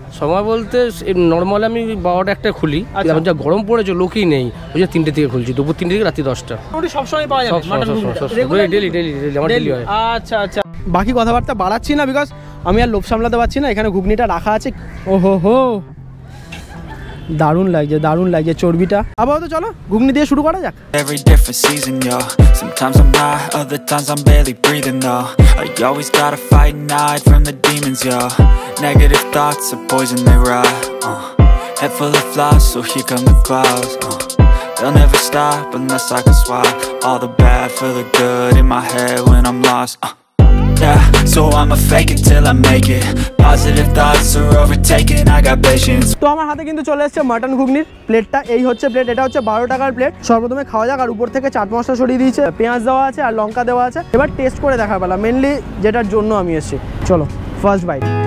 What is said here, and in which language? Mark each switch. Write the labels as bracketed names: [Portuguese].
[Bangla] সময় বলতে নর্মালি আমি 12টা খুলি, এখন যা গরম পড়েছে লোকই নেই, ওই যে 3টা থেকে খুলছি, দুপুর 3টা থেকে রাত্রি 10টা। ওটি সবসময় পাওয়া যাবে মাটন ঘুগনি? ডেলি ডেলি ডেলি আমার ডেলি হয়। আচ্ছা আচ্ছা, বাকি কথাবার্তা বাড়াচ্ছি না, বিকজ আমি আর লোভ সামলাতে পারছি না। এখানে ঘুগনিটা রাখা আছে, ওহো হো, দারুন লাগছে, দারুণ লাগছে চর্বিটা। আপাতত চলো ঘুগনি দিয়ে শুরু করা যাক। [English] Sometimes I'm high, other times I'm barely breathing though. I always gotta fight and hide from the demons, yo. Negative thoughts are poison, they rot. Head full of flaws, so here come the clouds. They'll never stop unless I can swap all the bad for the good in my head when I'm lost. Yeah, so I'ma fake it till I make it. Positive thoughts are overtaken, I got patience. [Bangla] তো আমার হাতে কিন্তু চলে এসেছে mutton ঘুগনির প্লেটটা। এই হচ্ছে plate, এটা হচ্ছে 12 টাকার প্লেট। সর্বপ্রথমে খাওয়া যাক, আর উপর থেকে চাট মশলা ছড়িয়ে দিয়েছে, পেঁয়াজ দেওয়া আছে আর লঙ্কা দেওয়া আছে। এবার টেস্ট করে দেখা পেলাম মেনলি যেটার জন্য আমি এসেছি। চলো [English] First bite.